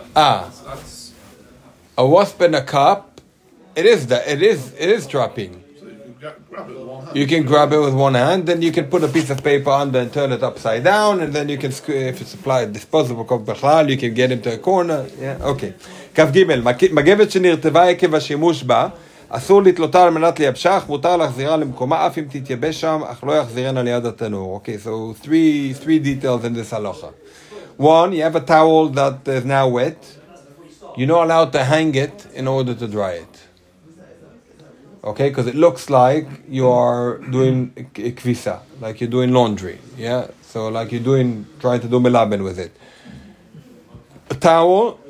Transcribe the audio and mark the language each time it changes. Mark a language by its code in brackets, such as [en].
[en] The hatter, but without that. A wasp in a cup, it is trapping. So you can grab it with one hand. You can grab it with one hand, then you can put a piece of paper under and turn it upside down, and then you can, if it's a disposable cup, you can get him to a corner. Yeah, okay. [he] Kaf Gimel, Magevet Shenirteva Yekev HaShimush Ba, אסור לתלותה על מנת ליבשך, מותר להחזירה למקומה, אף אם תתייבש שם, אך לא יחזירן על יד התנור. [en] Okay, so three details in this halacha. One, you have a towel that is now wet. You're not allowed to hang it in order to dry it. Okay, because it looks like you are doing kvisa, like you're doing laundry. Yeah, so like you're doing, trying to do melaben with it. A towel...